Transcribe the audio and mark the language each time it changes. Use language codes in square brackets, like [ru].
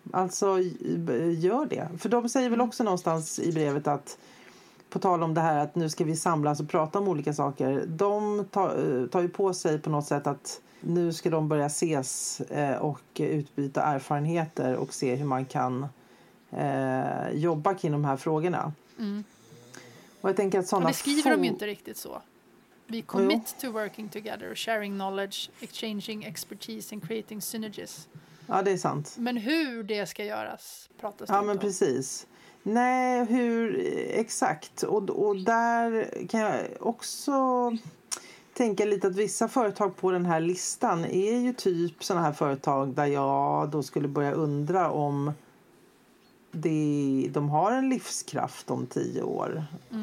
[sv] Alltså, gör det. För de säger väl också någonstans i brevet att, på tal om det här att nu ska vi samlas och prata om olika saker, de tar ju på sig på något sätt att nu ska de börja ses och utbyta erfarenheter och se hur man kan jobba kring de här frågorna. Mm. Och jag tänker att sådana, det skriver de ju inte riktigt så. [en] We commit to working together, sharing knowledge, exchanging expertise and creating synergies. [sv] Ja, det är sant. Men hur det ska göras, pratas det om. Ja, men precis. Nej, hur exakt. Och där kan jag också tänka lite att vissa företag på den här listan är ju typ såna här företag där jag då skulle börja undra om de har en livskraft om 10 år. Mm.